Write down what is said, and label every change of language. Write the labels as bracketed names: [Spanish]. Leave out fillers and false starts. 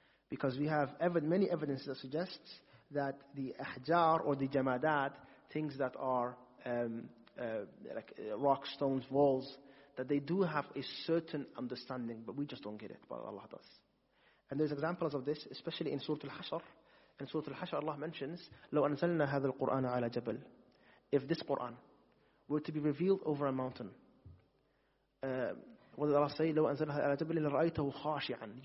[English] Because we have many evidence that suggests that the ahjar or the jamadat, things that are like rocks, stones, walls, that they do have a certain understanding, but we just don't get it, but Allah does. And there's examples of this, especially in Surah Al-Hashr, In Surah Al-Hashr, Allah mentions, [Arabic] لو أنزلنا هذا القرآن على جبل. [English] If this Quran were to be revealed over a mountain, what did Allah say? [Arabic] لو أنزلها على جبل لرأيته خاشعا.